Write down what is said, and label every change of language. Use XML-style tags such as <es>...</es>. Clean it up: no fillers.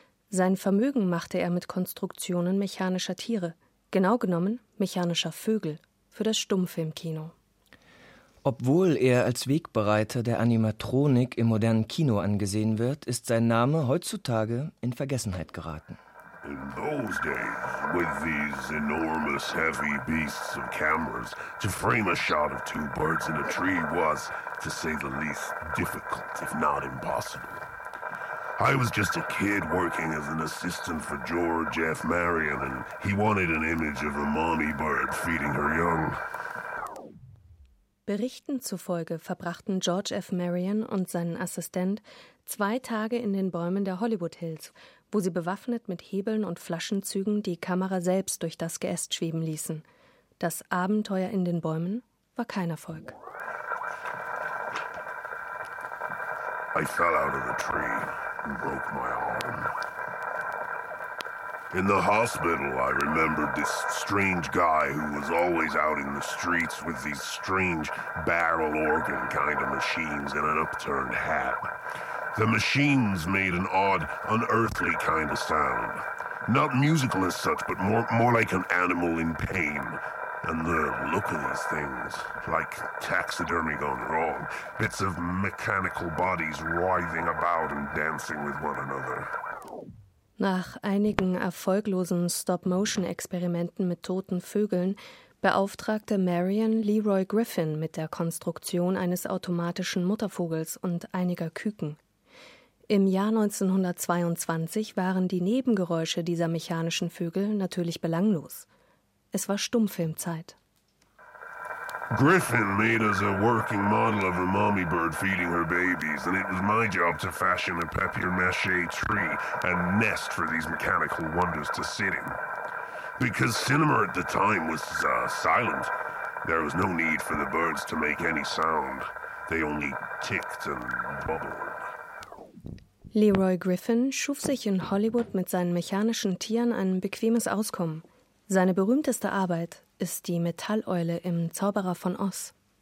<de>Sein Vermögen machte er mit Konstruktionen mechanischer Tiere, genau genommen mechanischer Vögel, für das Stummfilmkino. Obwohl er als Wegbereiter der Animatronik im modernen Kino angesehen wird, ist sein Name heutzutage in Vergessenheit geraten.</de> <en>In those days, with these enormous heavy beasts of cameras, to frame a shot of two birds in a tree was, to say the least, difficult, if not impossible. I was just a kid working as an assistant for George F. Marion, and he wanted an image of a mommy bird feeding her young.</en> <de>Berichten zufolge verbrachten George F. Marion und seinen Assistent 2 Tage in den Bäumen der Hollywood Hills, wo sie bewaffnet mit Hebeln und Flaschenzügen die Kamera selbst durch das Geäst schweben ließen. Das Abenteuer in den Bäumen war kein Erfolg.</de> <en>I fell out of the tree and broke my arm. In the hospital, I remembered this strange guy who was always out in the streets with these strange barrel organ kind of machines and an upturned hat. The machines made an odd, unearthly kind of sound. Not musical as such, but more like an animal in pain. And the look of these things, like taxidermy gone wrong, bits of mechanical bodies writhing about and dancing with one another.</en> <de>Nach einigen erfolglosen Stop-Motion-Experimenten mit toten Vögeln beauftragte Marion Leroy Griffin mit der Konstruktion eines automatischen Muttervogels und einiger Küken. Im Jahr 1922 waren die Nebengeräusche dieser mechanischen Vögel natürlich belanglos. Es war Stummfilmzeit.</de> <en>Griffin made us a working model of a mommy bird feeding her babies, and it was my job to fashion a papier-mâché tree and nest for these mechanical wonders to sit in. Because cinema at the time was silent, there was no need for the birds to make any sound. They only ticked and bubbled.</en> <de>Leroy Griffin schuf sich in Hollywood mit seinen mechanischen Tieren ein bequemes Auskommen. Seine berühmteste Arbeit ist die Metalleule im Zauberer von Oz.</de>